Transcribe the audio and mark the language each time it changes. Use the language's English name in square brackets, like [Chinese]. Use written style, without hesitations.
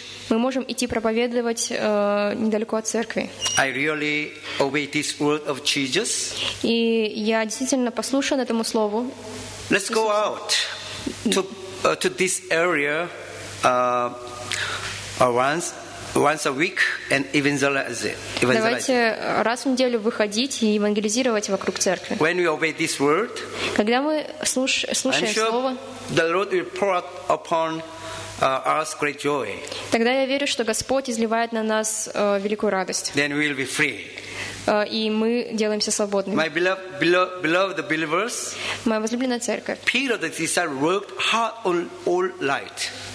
[Russian] Мы можем идти проповедовать недалеко от церкви. [English] I really obey this word of Jesus. [Russian] И я действительно послушан этому слову. [English] Let's go out to this area once a week and evangelize. [Russian] Давайте раз в неделю выходить и евангелизировать вокруг церкви. [English] When we obey this word, [Russian] когда мы слушаем слово, [English] the Lord will pour out upon us great joy. [Russian] Тогда я верю, что Господь изливает на нас великую радость. [English] Then we will be free. [Russian] И мы делаемся свободными. [English] My beloved believers, [Russian] моя возлюбленная церковь. [English] Peter the disciple worked hard on all light.